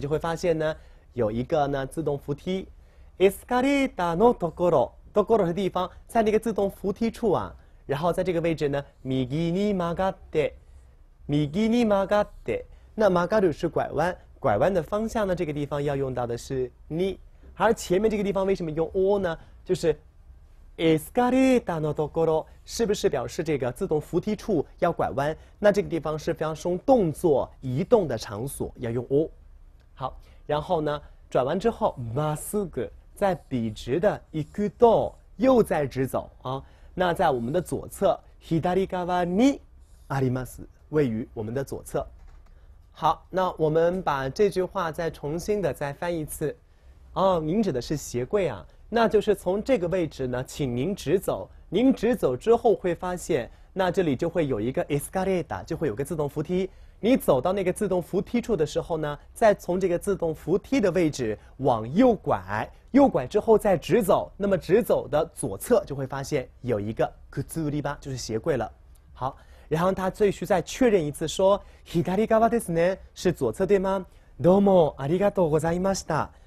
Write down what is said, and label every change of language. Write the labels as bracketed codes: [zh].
[zh] 就会发现呢，有一个呢自动扶梯。 [ja] escalator のところ、 [zh] ところ的地方，在那个自动扶梯处啊。然后在这个位置呢， [ja] 右に曲がって、右に曲がって。 [zh] 那曲がる是拐弯，拐弯的方向呢，这个地方要用到的是に。而前面这个地方为什么用お呢？就是 [ja] escalator のところ， [zh] 是不是表示这个自动扶梯处要拐弯？那这个地方是非常用动作移动的场所，要用お。好，然后呢，转弯之后， [ja] まっすぐ [zh] 在笔直的 [ja] 行くと， [zh] 又在直走啊。那在我们的左侧， [ja] 左側にあります， [zh] 位于我们的左侧。好，那我们把这句话再重新的再翻一次。哦，您指的是鞋柜啊？那就是从这个位置呢，请您直走。您直走之后会发现，那这里就会有一个 escalator， 就会有个自动扶梯。你走到那个自动扶梯处的时候呢，再从这个自动扶梯的位置往右拐，右拐之后再直走，那么直走的左侧就会发现有一个 kuzuriba， 就是鞋柜了。好，然后他最需再确认一次说， [ja] 左側ですね， [zh] 是左侧对吗？ [ja] どうもありがとうございました。